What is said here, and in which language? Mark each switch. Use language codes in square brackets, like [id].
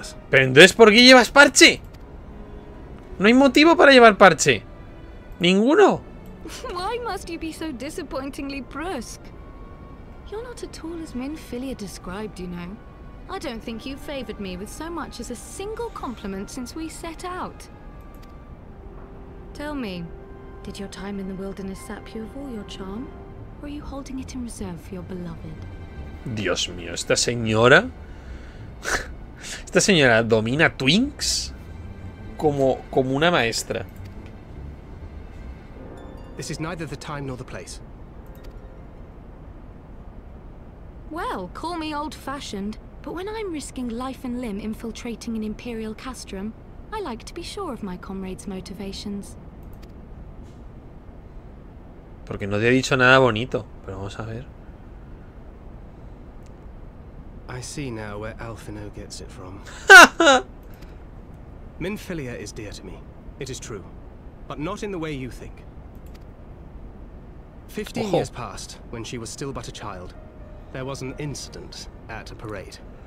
[es] Pero entonces, ¿por qué llevas parche? No hay motivo para llevar parche. Ninguno. [en] Why must you be so disappointingly brusque? You're not at all as Minfilia described, you know. I don't think you favored me with so much as a single compliment since we set out. Tell me, did your time in the wilderness sap you of all your charm? Or are you holding it in reserve for your beloved? [es] Dios mío, ¿esta señora? ¿Esta señora domina Twinks? Como una maestra. [en] This is neither the time nor the place. Well, call me old-fashioned, but when I'm risking life and limb infiltrating an Imperial castrum, I like to be sure of my comrades' motivations. [es] Porque no te he dicho nada bonito, pero vamos a ver. [en] I see now where Alfino gets it from. Minfilia is dear to me. It is true, but not in the way you think. 15 years passed when she was still but a child. There was an incident at a parade.